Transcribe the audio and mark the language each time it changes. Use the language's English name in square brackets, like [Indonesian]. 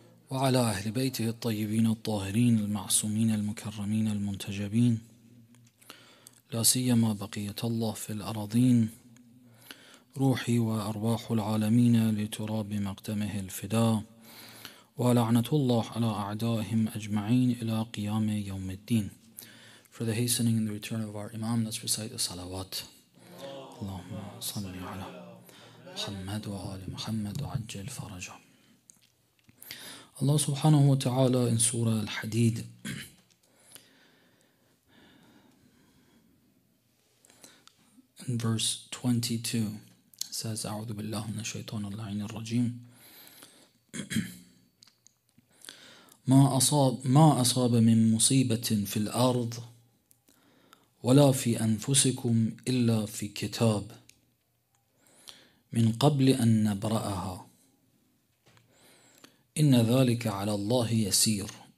[Arabic] وعلى أهل بيته الطيبين الطاهرين المعصومين المكرمين المنتجبين، لا سيما بقية الله في الأراضين، روحي وأرواح العالمين لتراب مقدمه الفداء، ولعنة الله على أعدائهم أجمعين إلى قيام يوم الدين. [English] For the hastening and the return of our Imam, let's recite the salawat. [Arabic] اللهم صل على محمد وآل محمد وعجل فرجه. [English] Allah subhanahu wa ta'ala in Surah Al-Hadid in verse 22 says, [Arabic] أعوذ بالله من الشيطان اللعين الرجيم. ما أصاب من مصيبة في الأرض ولا في أنفسكم إلا في كتاب من قبل أن نبرأها إن ذلك على الله يسير